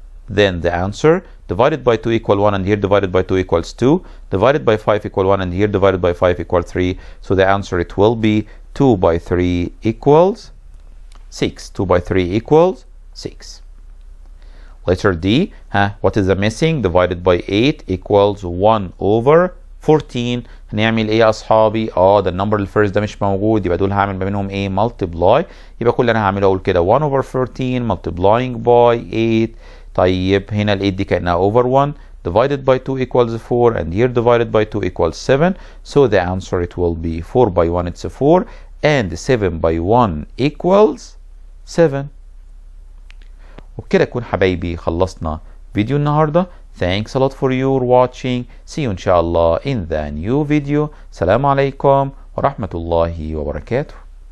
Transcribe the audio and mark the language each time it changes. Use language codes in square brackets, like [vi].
[en] then the answer divided by 2 equal 1 and here divided by 2 equals 2 divided by 5 equal 1 and here divided by 5 equal 3 so the answer it will be 2 by 3 equals 6 2 by 3 equals 6. Letter D what is the missing divided by 8 equals 1 over 14. [ar] هنعمل ايه يا اصحابي؟ ده النمبر الفيرست ده مش موجود يبقى دول هعمل ما بينهم ايه multiply يبقى كل اللي انا هعمله اقول كده [en] 1 over 14 multiplying by 8. طيب هنا ال 8 دي كانها over 1 divided by 2 equals 4 and here divided by 2 equals 7 so the answer it will be 4 by 1 it's a 4 and 7 by 1 equals 7. [ar] وبكده اكون حبايبي خلصنا فيديو النهارده. [en] Thanks a lot for your watching. See you [ar] ان شاء الله [en] in the new video. [ar] سلام عليكم ورحمة الله وبركاته.